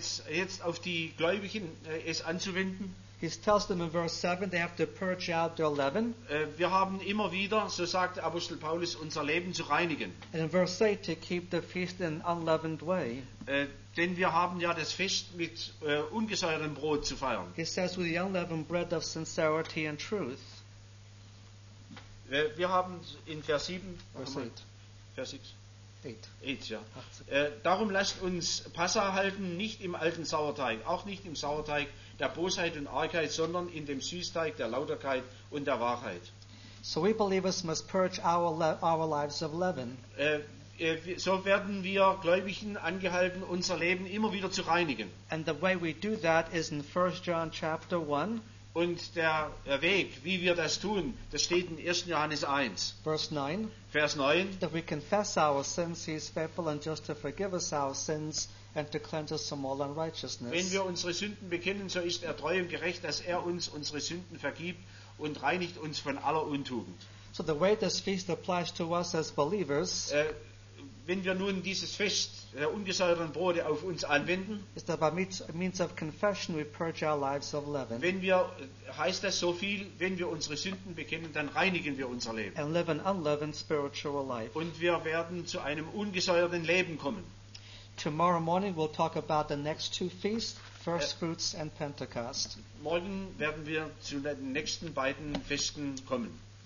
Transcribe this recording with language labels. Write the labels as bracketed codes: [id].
[de] Jetzt auf die Gläubigen es anzuwenden. [en] He tells them in verse 7 they have to purge out their leaven. [de] Wir haben immer wieder, so sagt Apostel Paulus, unser Leben zu reinigen. [en] And in verse 8 to keep the feast in unleavened way. [de] Denn wir haben ja das Fest mit ungesäuertem Brot zu feiern. [en] He says with the unleavened bread of sincerity and truth. [de] Wir haben in Vers 7 [en] verse 8. [de] Vers 6. [en] Eight, [de] ja. Darum lasst uns Passa halten, nicht im alten Sauerteig, auch nicht im Sauerteig der Bosheit und Argheit, sondern in dem Süßteig der Lauterkeit und der Wahrheit. [en] So we believers must purge our lives of leaven. [de] So werden wir Gläubigen angehalten, unser Leben immer wieder zu reinigen. [en] And the way we do that is in 1 John chapter 1. [de] Und der Weg, wie wir das tun, das steht in 1. Johannes 1. [en] Verse 9. [de] Vers 9. [en] That we confess our sins, he is faithful and just to forgive us our sins and to cleanse us from all unrighteousness. [de] Wenn wir unsere Sünden bekennen, so ist er treu und gerecht, dass er uns unsere Sünden vergibt und reinigt uns von aller Untugend. [en] So the way this feast applies to us as believers. [de] wenn wir nun dieses Fest der ungesäuerten Brote auf uns anwenden, [en] is that by means of confession we purge our lives of leaven. [de] Wenn wir, heißt das so viel, wenn wir unsere Sünden bekennen, dann reinigen wir unser Leben. [en] And live an unleavened spiritual life. [de] Und wir werden zu einem ungesäuerten Leben kommen. [en] Tomorrow morning we'll talk about the next two feasts, First Fruits and Pentecost. [de] Morgen werden wir zu den nächsten beiden Festen kommen.